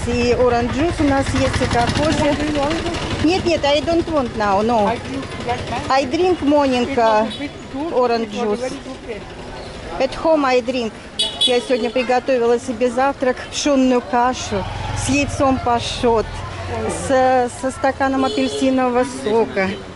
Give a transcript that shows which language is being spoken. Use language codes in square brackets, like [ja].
[ru] И [en] orange juice [ru] у нас есть, и кокосы. Нет, нет, [en] I don't want now, no. I drink morning orange juice. At home I drink. [ru] Я сегодня приготовила себе завтрак, пшенную кашу с яйцом пашот, со стаканом апельсинового сока.